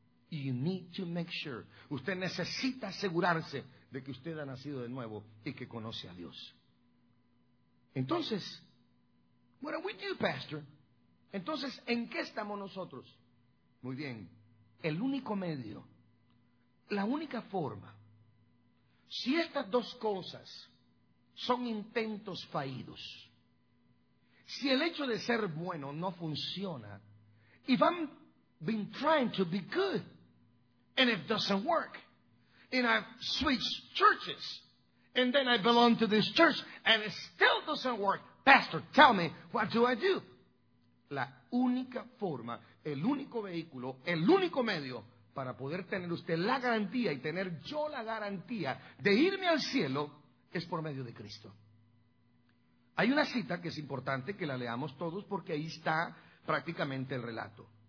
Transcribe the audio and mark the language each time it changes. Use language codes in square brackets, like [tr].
[en] You need to make sure. [es] Usted necesita asegurarse de que usted ha nacido de nuevo y que conoce a Dios. Entonces, [en] what do we do, [es] Pastor? Entonces, ¿en qué estamos nosotros? Muy bien, el único medio, la única forma. Si estas dos cosas son intentos fallidos, si el hecho de ser bueno no funciona, [en] if I've been trying to be good and it doesn't work, and I've switched churches and then I belong to this church and it still doesn't work, Pastor, tell me, what do I do? [es] La única forma, el único vehículo, el único medio para poder tener usted la garantía y tener yo la garantía de irme al cielo, es por medio de Cristo. Hay una cita que es importante que la leamos todos porque ahí está prácticamente el relato.